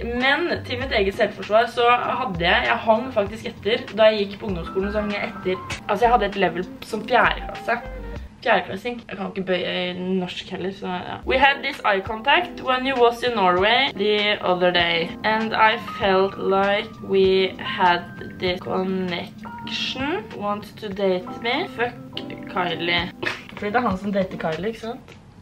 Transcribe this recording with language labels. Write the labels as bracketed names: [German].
[Norwegian] Men til mitt eget selvforsvar så hadde jeg, jeg hang faktisk etter. Da jeg gikk på ungdomsskolen så hang jeg etter. Altså jeg hadde et level som 4. klasse. fjerdeklassing. Jeg kan ikke bøye i norsk heller, så ja. [English] We had this eye contact when you was in Norway the other day. And I felt like we had the connection. Want to date me? Fuck Kylie. [Norwegian] Fordi det er han som dater Kylie, ikke sant?